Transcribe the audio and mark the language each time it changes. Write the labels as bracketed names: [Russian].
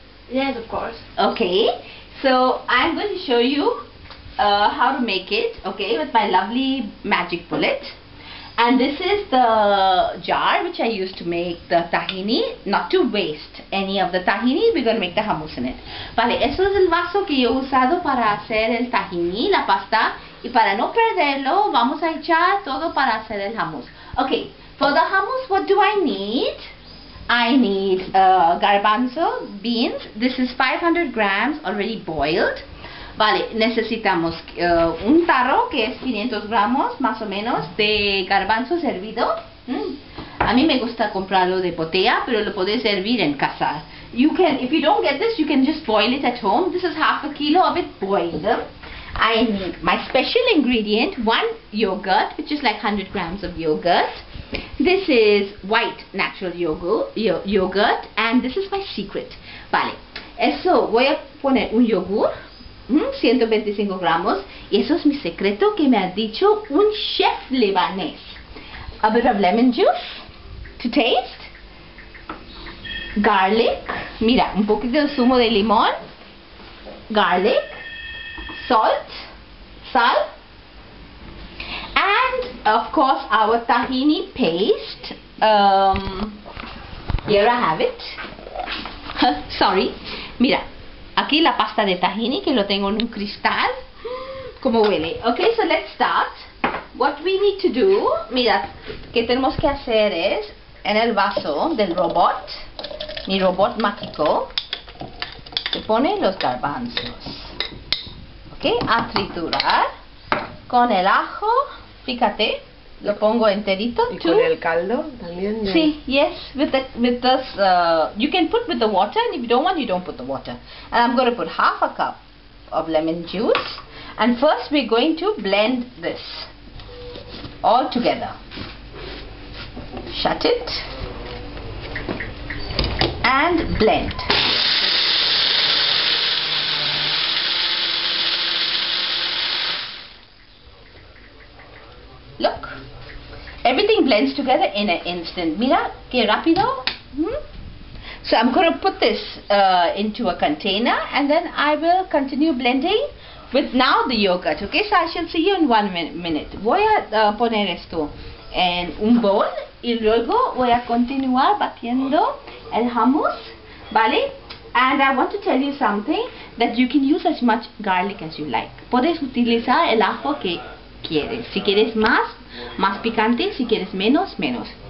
[English] Yes, of course. Okay, so I'm going to show you how to make it, okay, with my lovely magic bullet. And this is the jar which I use to make the tahini, not to waste any of the tahini, we're gonna make the hummus in it. [Spanish] Vale, eso es el vaso que yo he usado para hacer el tahini, la pasta, y para no perderlo, vamos a echar todo para hacer el hummus. [English] Okay, for the hummus, what do I need? I need garbanzo beans. This is 500 grams already boiled. [Spanish] Vale, necesitamos un tarro que es 500 gramos más o menos de garbanzo servido. A mí me gusta comprarlo de botella, pero lo puedes hervir en casa. [English] You can, if you don't get this, you can just boil it at home. This is half a kilo of it boiled. I need my special ingredient, one yogurt, which is like 100 grams of yogurt. This is white natural yogurt, and this is my secret. [Spanish] Vale, eso voy a poner un yogur. 125 gramos, y eso es mi secreto que me ha dicho un chef libanés. [English] A bit of lemon juice to taste. Garlic, [Spanish] mira, un poquito de zumo de limón. [English] Garlic, sal. And of course, our tahini paste. Here I have it. Sorry, mira. [Spanish] Aquí la pasta de tahini que lo tengo en un cristal. ¿Cómo huele? [English] Okay, so let's start. What we need to do, [Spanish] mira, que tenemos que hacer es en el vaso del robot, mi robot mágico, se pone los garbanzos. Okay, a triturar con el ajo, fíjate, lo pongo Y con enterito. el caldo también de... [English] Sí, yes, with this, you can put with the water, and if you don't want, you don't put the water. And I'm going to put half a cup of lemon juice. And first, we're going to blend this all together. Shut it and blend. Everything blends together in an instant. [Spanish] Mira, qué rápido. [English] So I'm going to put this into a container and then I will continue blending with now the yogurt. Okay, so I shall see you in 1 minute. [Spanish] Voy a poner esto en un bowl y luego voy a continuar batiendo el hummus. ¿Vale? [English] And I want to tell you something that you can use as much garlic as you like. [Spanish] Puedes utilizar el ajo que quieres. Si quieres más, más picante, si quieres menos, menos.